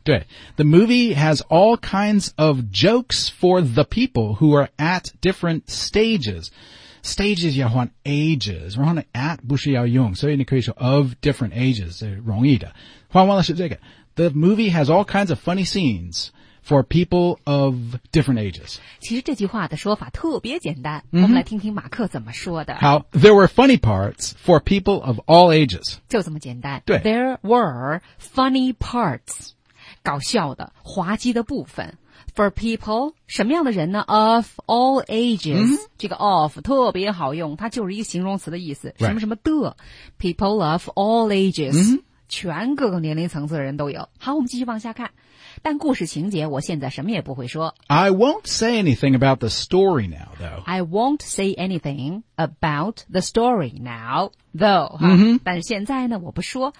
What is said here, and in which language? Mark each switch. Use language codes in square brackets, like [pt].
[en] 对 The movie has all kinds of jokes for the people who are at different stages. [zh] Stages 要换 ages, 然后呢 at 不是要用所以你可以说 [en] of different ages, [zh] 容易的。换完了是这个 [en] The movie has all kinds of funny scenes for people of different ages. [zh] 其实这句话的说法特别简单、我们来听听马克怎么说的。 [en] 好 there were funny parts for people of all ages. [zh] 就这么简单。对 [en] There were funny parts, [zh] 搞笑的滑稽的部分。 For people, 什么样的人呢 ? [en] of all ages,、 [zh] 这个 of 特别好用它就是一个形容词的意思、 [en] right. [zh] 什么什么的 , [en] people of all ages,、 [zh] 全各个年龄层次的人都有。好我们继续往下看。但故事情节我现在什么也不会说。 [en] I won't say anything about the story now, though. I won't say anything about the story now, though.、 [zh] 但是现在呢我不说。